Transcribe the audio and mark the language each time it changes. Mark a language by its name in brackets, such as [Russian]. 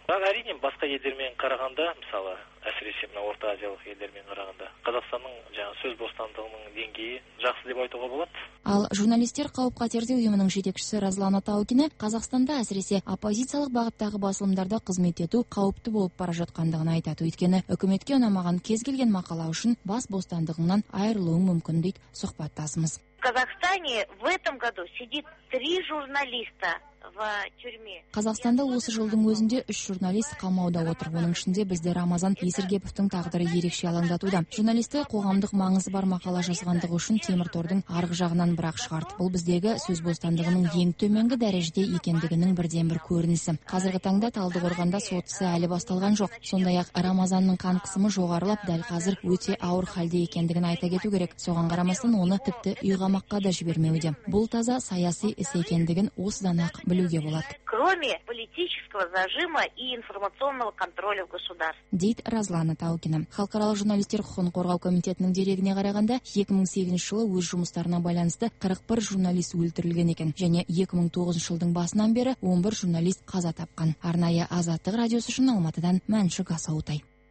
[Kazakh] Бірақ әрине басқа елдермен қарағанда, мысалы әсіресе мына орта азиялық елдермен қарағанда Қазақстанның жаңа сөз бостандығының деңгейі жақсы деп айтуға болады. Ал журналистер қауіп-қатерде ұйымының жетекшісі Разлана Таукина Қазақстанда әсіресе оппозициялық бағыттағы басылымдарда қызмет ету қауіпті болып бара жатқандығын айтады. Өйткені үкіметке ұнамаған кез келген мақала үшін бас бостандығынан айырылуы мүмкін дейді сұхбаттасымыз. [Russian] Қазақстанда в этом году сидит 3 журналиста. [Kazakh] Қазақстанда осы жылдың өзінде 3 журналист қамауда отыр. Оның ішінде бізде Рамазан Есіргеповтің тағдыры ерекше алаңдатуда. Журналисті қоғамдық маңызы бар мақала жазғандығы үшін темір тордың арғы жағынан бірақ шығарды. Бұл біздегі сөз бостандығының ең төменгі дәрежеде екендігінің бірден бір көрінісі. Қазіргі таңда Талдықорғанда сот ісі әлі басталған жоқ. Сондай-ақ Рамазанның қан қысымы жоғарылап, дәл қазір өте ауыр халде екендігін айта кету керек. Соған қарамастан оны тіпті үйқамаққа да жібермеуде. Бұл таза саяси іс екендігін осыдан ақ білуге болады. [Russian] Кроме политического зажима и информационного контроля в государстве. [Kazakh] Дейт Разлана Таукина. Халықаралық журналистер құқығын қорғау комитетінің дерегіне қарағанда 2008 жылы өз жұмыстарына байланысты 41 журналист өлтірілген екен, және 2009 жылдың басынан бері 11 журналист қаза тапқан. Арнайы Азаттық радиосы үшін Алматыдан Мәншүк Асаутай.